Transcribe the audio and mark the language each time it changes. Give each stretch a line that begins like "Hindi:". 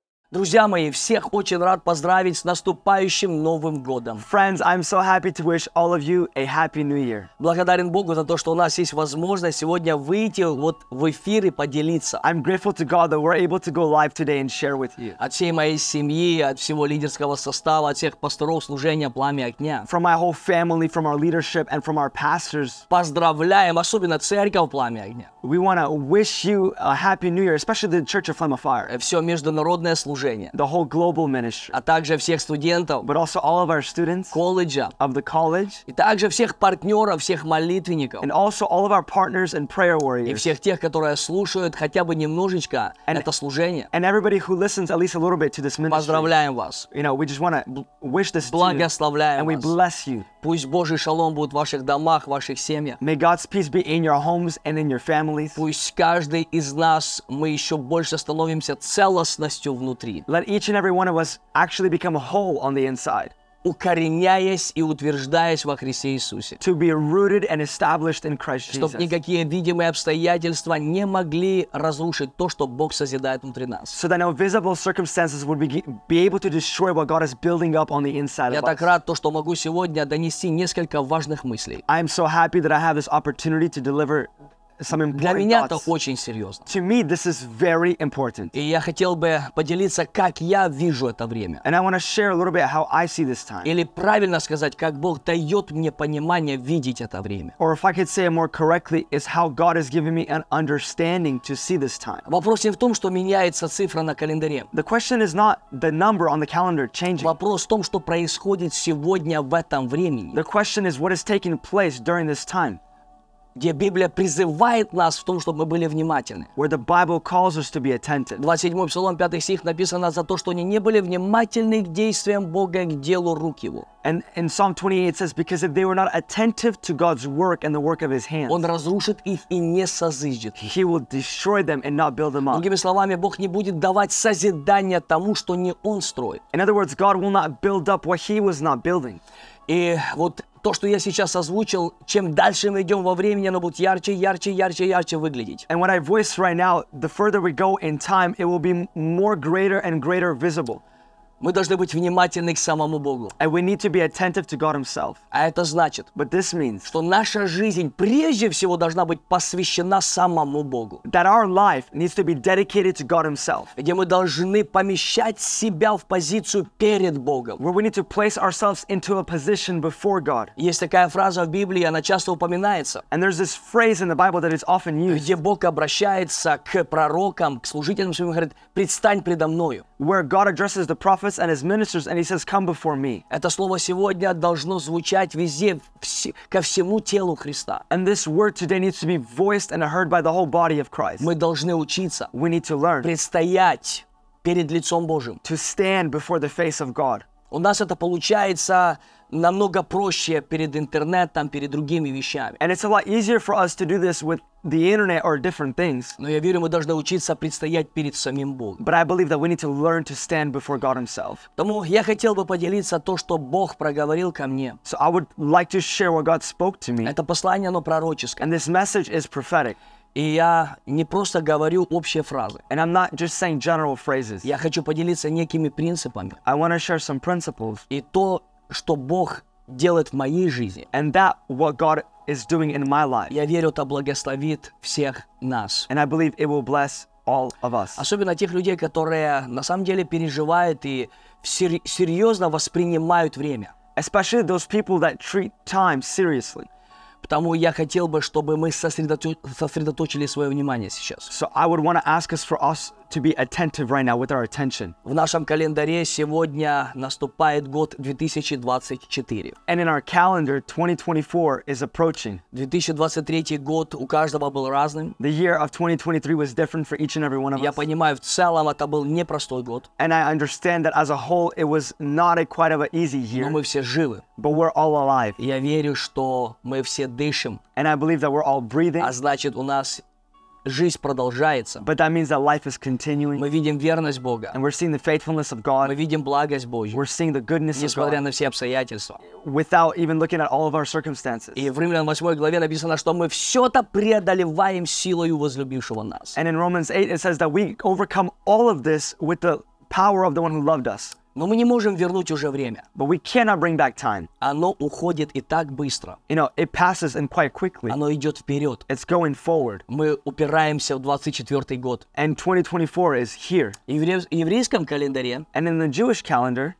Russian: Друзья мои, всех очень рад поздравить с наступающим Новым годом.
English: Friends, I'm so happy to wish all of you a happy new year.
Russian: Благодарен Богу за то, что у нас есть возможность сегодня выйти вот в эфир и поделиться.
English: I'm grateful to God that we're able to go live today and share with you.
Russian: От всей моей семьи, от всего лидерского состава, от всех пасторов служения Пламя Огня.
English: From my whole family, from our leadership and from our pastors.
Russian: Поздравляем, особенно церковь Пламя Огня.
English: We want to wish you a happy new year, especially the Church of Flame of Fire.
Russian: Все международное служение.
English: The whole global ministry.
Russian: А также всех студентов.
English: But also all of our students.
Russian: Колледжа.
English: Of the college.
Russian: И также всех партнеров, всех молитвенников.
English: And also all of our partners and prayer warriors.
Russian: И всех тех, которые слушают хотя бы немножечко это служение.
English: And everybody who listens at least a little bit to this ministry.
Russian: Поздравляем вас.
English: You know, we just want to wish this to you.
Russian: Благословляем вас.
English: And we bless you.
Russian: Пусть Божий шалом будет в ваших домах, в ваших семьях.
English: May God's peace be in your homes and in your families.
Russian: Пусть каждый из нас, мы еще больше становимся целостностью внутри.
English: Let each and every one of us actually become whole on the inside.
Russian: Укореняясь и утверждаясь во Христе Иисусе.
English: To be rooted and established in Christ Jesus.
Russian: Чтобы никакие видимые обстоятельства не могли разрушить то, что Бог созидает внутри нас.
English: So that no visible circumstances would be able to destroy what God is building up on the inside of us.
Russian: Я так рад, что могу сегодня донести несколько важных мыслей.
English: I am so happy that I have this opportunity to deliver some important thoughts. To me, this is very important.
Russian: И я хотел бы поделиться, как я вижу это время.
English: And I want to share a little bit how I see this time.
Russian: Или правильно сказать, как Бог дает мне понимание видеть это время.
English: Or if I could say it more correctly, is how God is giving me an understanding to see this time.
Russian: Вопрос не в том, что меняется цифра на календаре.
English: The question is not the number on the calendar changing.
Russian: Вопрос в том, что происходит сегодня в этом времени.
English: The question is what is taking place during this time.
Russian: Где Библия призывает нас в том, чтобы мы были внимательны.
English: Where the Bible calls us to be attentive.
Russian: 27 псалом, 5 стих написано за то, что они не были внимательны к действиям Бога, к делу рук Его.
English: And in Psalm 28 it says, because if they were not attentive to God's work and the work of His hands,
Russian: Он разрушит их и не созидит.
English: He will destroy them and not build them up.
Russian: Другими словами, Бог не будет давать созидания тому, что не Он строит.
English: In other words, God will not build up what He was not building.
Russian: И вот то, что я сейчас озвучил, чем дальше мы идем во времени, оно будет ярче, ярче, ярче, ярче выглядеть.
English: And what I voice right now, the further we go in time, it will be more greater and greater visible.
Russian: Мы должны быть внимательны к самому Богу.
English: And we need to be attentive to God Himself.
Russian: А это значит,
English: but this means,
Russian: что наша жизнь прежде всего должна быть посвящена самому Богу.
English: That our life needs to be dedicated to God Himself.
Russian: Где мы должны помещать себя в позицию перед Богом.
English: Where we need to place ourselves into a position before God.
Russian: Есть такая фраза в Библии, она часто упоминается.
English: And there's this phrase in the Bible that is often used.
Russian: Где Бог обращается к пророкам, к служителям своим, говорит, предстань предо мною.
English: Where God addresses the prophet and his ministers, and he says, come before me.
Russian: Это слово сегодня должно звучать везде, ко всему телу Христа.
English: And this word today needs to be voiced and heard by the whole body of Christ.
Russian: Мы должны учиться.
English: We need to learn.
Russian: Предстоять перед лицом Божьим.
English: To stand before the face of God.
Russian: У нас это получается намного проще перед интернетом, перед другими вещами.
English: And it's a lot easier for us to do this with the internet or different things.
Russian: Но я верю, мы должны учиться предстоять перед самим Богом.
English: But I believe that we need to learn to stand before God Himself.
Russian: Тому я хотел бы поделиться то, что Бог проговорил ко мне.
English: So I would like to share what God spoke to me.
Russian: Это послание, оно пророческое.
English: And this message is prophetic.
Russian: И я не просто говорю общие фразы.
English: And I'm not just saying general phrases.
Russian: Я хочу поделиться некими принципами.
English: I want to share some principles.
Russian: И то, что Бог делает в моей жизни.
English: And that what God is doing in my life.
Russian: Я верю, это благословит всех нас.
English: And I believe it will bless all of us.
Russian: Особенно тех людей, которые на самом деле переживают и серьезно воспринимают время.
English: Especially those people that treat time seriously.
Russian: Потому я хотел бы, чтобы мы сосредоточили свое внимание сейчас.
English: So I would want to ask us for us to be attentive right now with our attention.
Russian: В нашем календаре сегодня наступает год 2024.
English: And in our calendar, 2024 is approaching.
Russian: 2023 год у каждого был разным.
English: The year of 2023 was different for each and every one of us.
Russian: Я понимаю, в целом это был непростой год.
English: And I understand that as a whole, it was not a quite of an easy year.
Russian: Но мы все живы.
English: But we're all alive.
Russian: Я верю, что мы все дышим.
English: And I believe that we're all breathing.
Russian: А значит, у нас жизнь продолжается.
English: But that means that life is continuing.
Russian: Мы видим верность Бога.
English: And we're seeing the faithfulness of God.
Russian: Мы видим благость Божью.
English: We're seeing the goodness of God.
Russian: Несмотря на все обстоятельства.
English: Without even looking at all of our circumstances.
Russian: И в Римлян 8 главе написано, что мы все-то преодолеваем силою возлюбившего нас.
English: And in Romans 8 it says that we overcome all of this with the power of the one who loved us.
Russian: Но мы не можем вернуть уже время.
English: But we cannot bring back time.
Russian: Оно уходит и так быстро.
English: You know, it passes and quite quickly.
Russian: Оно идет вперед.
English: It's going forward.
Russian: Мы упираемся в 24-й год.
English: And 2024 is here.
Russian: В еврейском календаре.
English: And in the Jewish calendar.